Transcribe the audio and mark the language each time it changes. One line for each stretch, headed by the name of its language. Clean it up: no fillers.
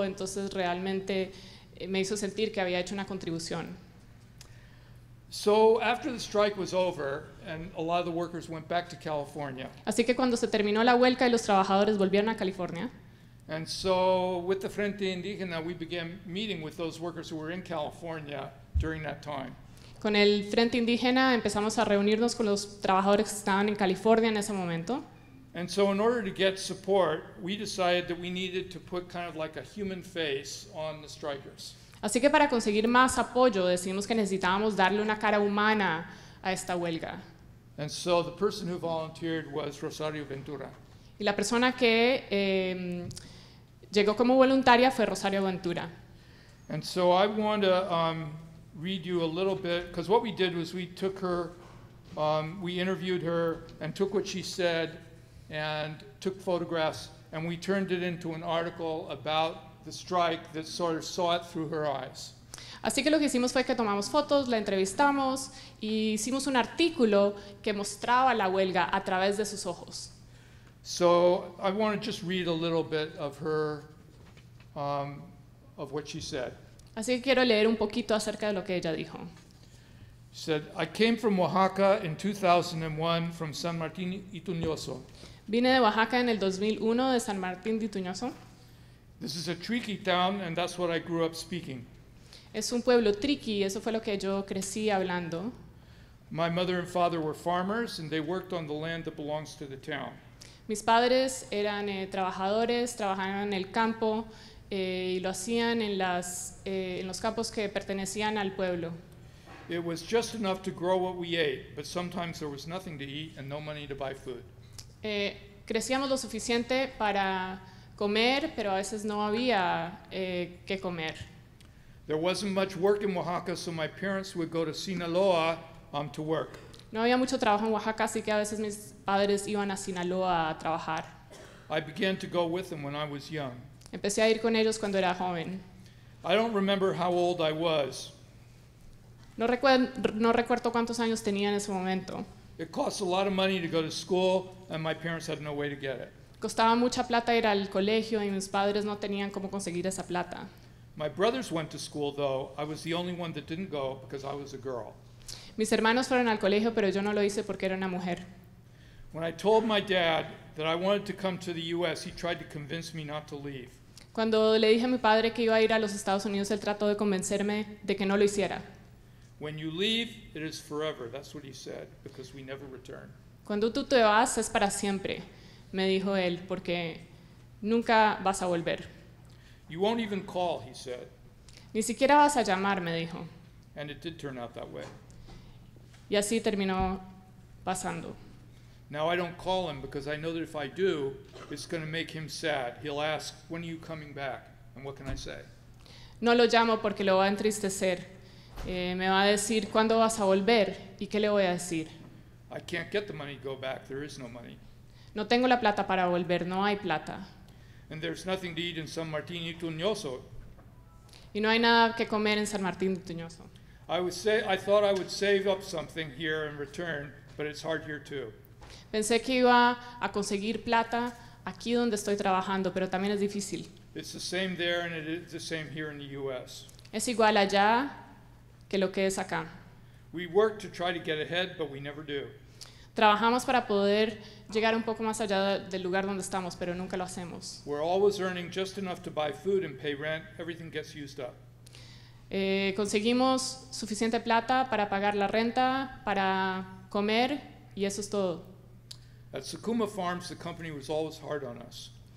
Spanish: Entonces realmente me hizo sentir que había hecho una contribución.
English: So after the strike was over and a lot of the workers went back to California.
Spanish: Así que cuando se terminó la huelga y los trabajadores volvieron a California.
English: And so with the Frente Indígena, we began meeting with those workers who were in California during that time.
Spanish: Con el Frente Indígena empezamos a reunirnos con los trabajadores que estaban en California en ese momento.
English: And so in order to get support, we decided that we needed to put kind of like a human face on the strikers.
Spanish: Así que para conseguir más apoyo, decidimos que necesitábamos darle una cara humana a esta huelga.
English: And so the person who volunteered was Rosario Ventura.
Spanish: Y la persona que llegó como voluntaria fue Rosario Ventura.
English: And so I want to read you a little bit, because what we did was we took her, we interviewed her and took what she said and took photographs and we turned it into an article about the strike that sort of saw it through her eyes.
Spanish: Así que lo que hicimos fue que tomamos fotos, la entrevistamos y hicimos un artículo que mostraba la huelga a través de sus ojos.
English: So I want to just read a little bit of her, of what she said.
Spanish: Así que quiero leer un poquito acerca de lo que ella dijo.
English: She said, I came from Oaxaca in 2001 from San Martín Ituñoso.
Spanish: Vine de Oaxaca en el 2001 de San Martín de Ituñoso.
English: This is a tricky town and that's what I grew up speaking.
Spanish: Es un pueblo tricky, eso fue lo que yo crecí hablando.
English: My mother and father were farmers and they worked on the land that belongs to the town.
Spanish: Mis padres eran trabajadores, trabajaban en el campo y lo hacían en en los campos que pertenecían al pueblo.
English: It was just enough to grow what we ate, but sometimes there was nothing to eat and no money to buy food.
Spanish: Crecíamos lo suficiente para comer, pero a veces no había qué comer.
English: There wasn't much work in Oaxaca, so my parents would go to Sinaloa to work.
Spanish: No había mucho trabajo en Oaxaca, así que a veces mis padres iban a Sinaloa a trabajar.
English: I began to go with them when I was young.
Spanish: Empecé a ir con ellos cuando era joven.
English: I don't remember how old I was.
Spanish: No recuerdo cuántos años tenía en ese momento.
English: It cost a lot of money to go to school, and my parents had no way to get it.
Spanish: Costaba mucha plata ir al colegio, y mis padres no tenían cómo conseguir esa plata.
English: My brothers went to school, though. I was the only one that didn't go because I was a girl.
Spanish: Mis hermanos fueron al colegio, pero yo no lo hice porque era una mujer.
English: When I told my dad that I wanted to come to the U.S., he tried to convince me not to leave.
Spanish: Cuando le dije a mi padre que iba a ir a los Estados Unidos, él trató de convencerme de que no lo hiciera.
English: When you leave, it is forever. That's what he said, because we never return.
Spanish: Cuando tú te vas, es para siempre, me dijo él, porque nunca vas a volver.
English: You won't even call, he said.
Spanish: Ni siquiera vas a llamar, me dijo.
English: And it did turn out that way.
Spanish: Y así terminó pasando.
English: Now I don't call him because I know that if I do, it's going to make him sad. He'll ask, when are you coming back? And what can I say?
Spanish: No lo llamo porque lo va a entristecer. Me va a decir, ¿cuándo vas a volver? ¿Y qué le voy a decir?
English: I can't get the money to go back. There is no money.
Spanish: No tengo la plata para volver. No hay plata.
English: And there's nothing to eat in San Martín y Tuñoso.
Spanish: Y no hay nada que comer en San Martín y Tuñoso.
English: I thought I would save up something here and return, but it's hard here too.
Spanish: Pensé que iba a conseguir plata aquí donde estoy trabajando, pero también es difícil.
English: It's the same there and it is the same here in the U.S.
Spanish: Es igual allá que lo que es acá.
English: We work to try to get ahead, but we never do.
Spanish: Trabajamos para poder llegar un poco más allá del lugar donde estamos, pero nunca lo hacemos.
English: We're always earning just enough to buy food and pay rent. Everything gets used up.
Spanish: Conseguimos suficiente plata para pagar la renta, para comer, y eso es todo.
English: At Sukuma Farms, the company was always hard on us.